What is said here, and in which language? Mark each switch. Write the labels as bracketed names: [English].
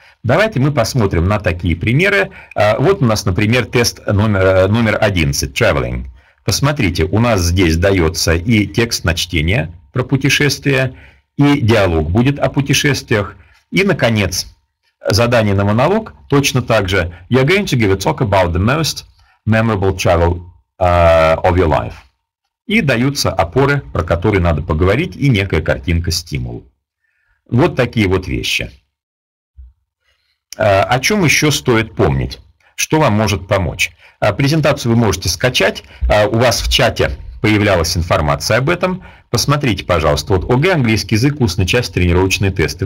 [Russian] Давайте мы посмотрим на такие примеры. Вот у нас, например, тест номер 11, traveling. Посмотрите, у нас здесь дается и текст на чтение про путешествия, и диалог будет о путешествиях, и, наконец, задание на монолог точно так же. [English] You're going to give a talk about the most memorable travel of your life. [Russian] И даются опоры, про которые надо поговорить, и некая картинка стимул. Вот такие вот вещи. О чем еще стоит помнить? Что вам может помочь? Презентацию вы можете скачать. У вас в чате появлялась информация об этом. Посмотрите, пожалуйста, вот ОГЭ, английский язык, устная часть, тренировочные тесты.